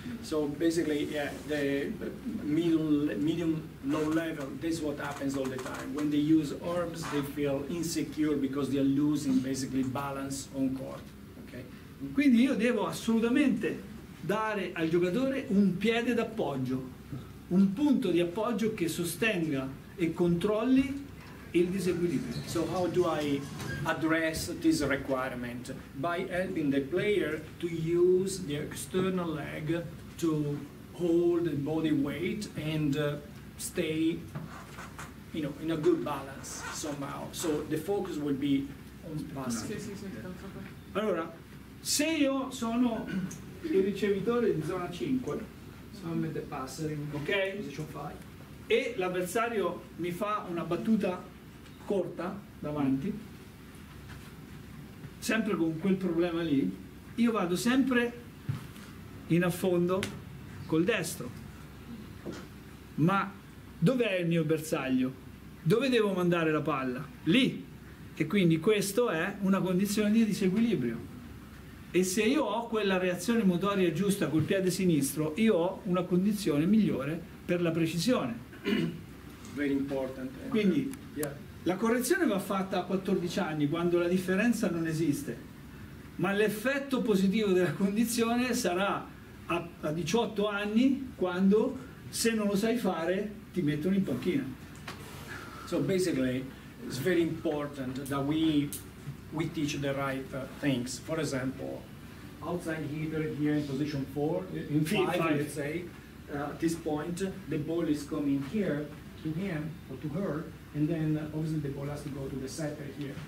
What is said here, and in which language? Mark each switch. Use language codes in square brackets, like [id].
[en] So basically, yeah, the medium low level, this is what happens all the time. When they use arms, they feel insecure because they are losing basically balance on court. Okay? [it] Quindi io devo assolutamente dare al giocatore un piede d'appoggio, un punto di appoggio che sostenga e controlli il disequilibrio. [en] So how do I address this requirement? By helping the player to use the external leg to hold the body weight and stay, you know, in a good balance somehow. So the focus will be on passing. [it] Allora, se io sono il ricevitore di zona 5, sono mette passing, ok? [en] Position 5. [it] E l'avversario mi fa una battuta corta davanti, sempre con quel problema lì, io vado sempre in affondo col destro. Ma dov'è il mio bersaglio? Dove devo mandare la palla? Lì. E quindi questo è una condizione di disequilibrio. E se io ho quella reazione motoria giusta col piede sinistro, io ho una condizione migliore per la precisione. [en] Very important. [it] Quindi la correzione va fatta a 14 anni, quando la differenza non esiste, ma l'effetto positivo della condizione sarà a 18 anni, quando, se non lo sai fare, ti mettono in panchina. [en] So basically it's very important that we teach the right things. For example, outside hitter here in position 4, in 5, let's say, at this point the ball is coming here to him or to her, and then obviously the ball has to go to the setter here.